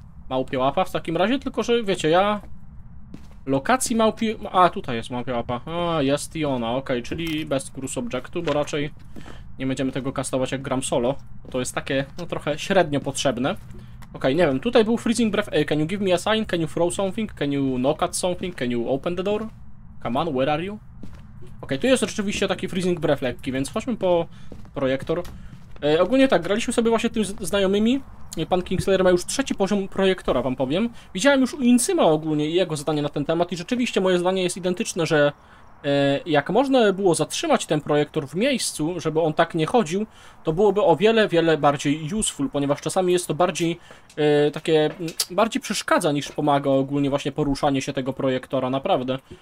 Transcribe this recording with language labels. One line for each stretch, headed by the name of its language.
Polish: Małpie łapa w takim razie, tylko że wiecie, ja... Lokacji małpi... A, tutaj jest małpie łapa. A, jest i ona, okej, okay, czyli bez cursed objectu, bo raczej nie będziemy tego kastować jak gram solo. To jest takie, no trochę średnio potrzebne. Okej, okay, nie wiem, tutaj był freezing breath.
English: Can you give me a sign? Can you throw something? Can you knock at something? Can you open the door? Come on, where are you?
Polish: Okej, okay, tu jest rzeczywiście taki freezing breath lekki, więc chodźmy po projektor. Ogólnie tak, graliśmy sobie właśnie tym znajomymi. Pan Kingslayer ma już trzeci poziom projektora, wam powiem. Widziałem już u Incyma ogólnie jego zdanie na ten temat i rzeczywiście moje zdanie jest identyczne, że jak można było zatrzymać ten projektor w miejscu, żeby on tak nie chodził, to byłoby o wiele, wiele bardziej useful, ponieważ czasami jest to bardziej takie, bardziej przeszkadza niż pomaga ogólnie właśnie poruszanie się tego projektora, naprawdę.